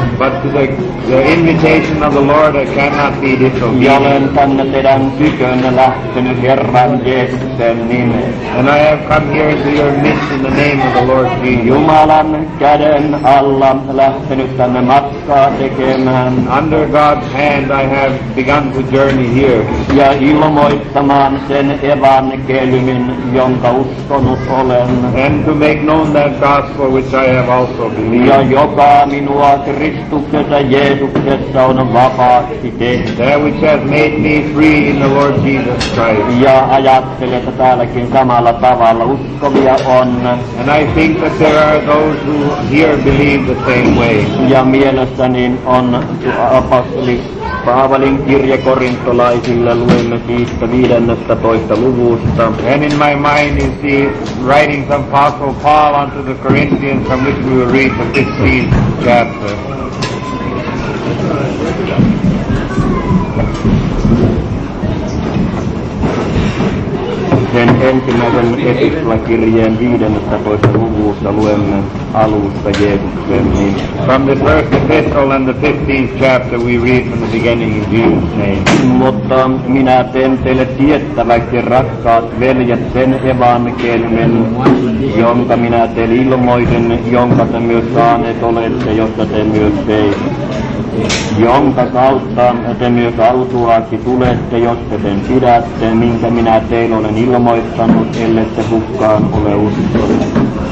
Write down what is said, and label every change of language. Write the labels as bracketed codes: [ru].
[en] But the invitation of the Lord cannot be disobeyed. [fi] Ja olen tänne teidän tykönne lähtenyt Herran Jeesuksen nimeen. [en] And I have come here to your midst in the name of the Lord Jesus. [fi] Jumalan käden alla lähtenyt tänne matkaa tekemään. [en] Under God's hand I have begun to journey here. [fi] Ja ilmoittamaan sen evankeliumin, jonka uskonut olen. [en] And to make known that gospel which I have also believed. [fi] Ja joka minua Kristuksessa Jeesuksessa on vapaaksi tehnyt. [en] That which has made me free in the Lord Jesus Christ. [fi] Ja ajattelen, että täälläkin samalla tavalla uskovia on. [en] And I think that there are those who here believe the same way. [fi] Ja mielestäni on apostoli Paavalin kirje korintolaisille, luemme siitä 15. luvusta. [en] And in my mind is the writings of Apostle Paul unto the Corinthians, from which we will read the 15th chapter. [fi] Sen ensimmäisen epistolakirjeen 15. luvusta luemme alusta Jeesuksen nimessä. [en] From the first epistle and the 15th chapter we read from the beginning in Jesus' name. [fi] Mutta minä teen teille tiettäväksi, rakkaat veljet, sen evankeliumin, jonka minä teille ilmoitin, jonka te myös saaneet olette, jotta te myös teitte. Jonka kautta te myös autuaaksi tulette, jos te sen pidätte, minkä minä teille olen ilmoittanut, ellette hukkaan ole uskoneet.